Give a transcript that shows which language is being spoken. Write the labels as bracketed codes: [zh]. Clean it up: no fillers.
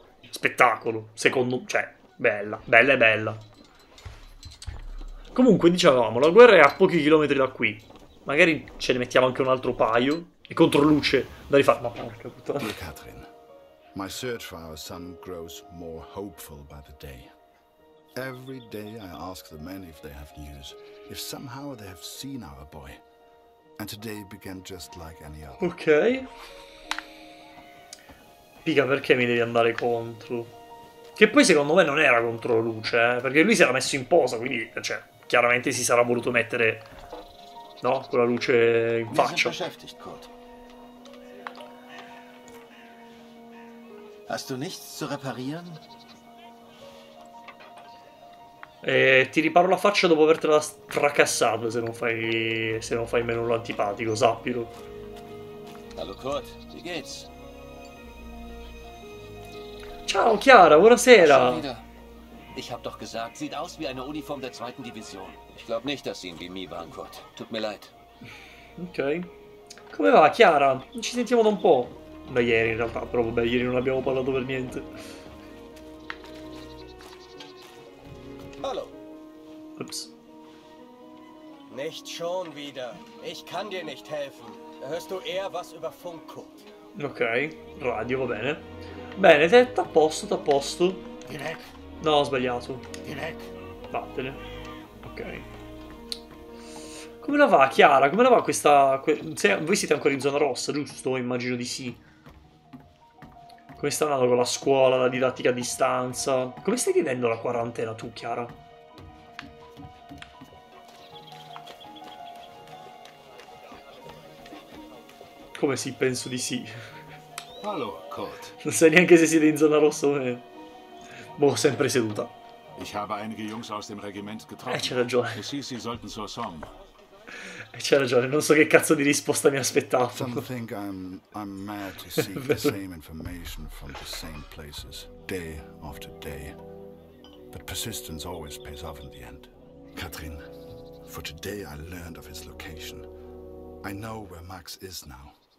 [it] Spettacolo, secondo... Cioè, bella, bella e bella. Comunque, dicevamo, la guerra è a pochi chilometri da qui. Magari ce ne mettiamo anche un altro paio. E contro luce da rifare. Ma porca puttana. [en] Dear Catherine, my search for our son grows more hopeful by the day. Every day I ask the men if they have news, if somehow they have seen our boy. And today began just like any other. Ok. [it] Pica, perché mi devi andare contro? Che poi secondo me non era contro luce, perché lui si era messo in posa, quindi, cioè, chiaramente si sarà voluto mettere, no, con la luce in faccia. [de] Hast du nichts zu reparieren? [it] Ti riparo la faccia dopo avertela fracassata, se non fai meno l'antipatico, sappilo. [de] Hallo Kurt, wie geht's? [it] Ciao Chiara, buonasera. [de] Ich hab doch gesagt, sieht aus wie eine Uniform der 2. Division. Ich glaub nicht, dass sie in Bimi waren, Kurt. Tut mir leid. [it] Ok. Come va, Chiara? Ci sentiamo da un po'. Da ieri, in realtà, però vabbè, ieri non abbiamo parlato per niente. [de] Hallo. Ups. Nicht schon wieder. Ich kann dir nicht helfen. Hörst du eher was über Funk, Kurt? [it] Ok, radio, va bene. Bene, detto, a posto, t'a posto. [en] Direct. [it] No, ho sbagliato. [en] Direct. [it] Vattene. Ok. Come la va, Chiara? Come la va questa... voi siete ancora in zona rossa, giusto? Immagino di sì. Come sta andando con la scuola, la didattica a distanza? Come stai vivendo la quarantena tu, Chiara? Come sì, penso di sì. Allora, Kurt. Non sai neanche se siete in zona rossa o meno. Boh, sempre seduta. [de] Ich habe einige Jungs aus dem Regiment getroffen. [it] C'è ragione. Sì, sì, [de] sollten zur Somme. [it] C'è ragione, non so che cazzo di risposta mi aspettavo. [en] Some think I'm mad to seek the same information from the same places, day after day. But persistence always pays off in the end. Katrin, for today I learned of his location. I know where Max is now.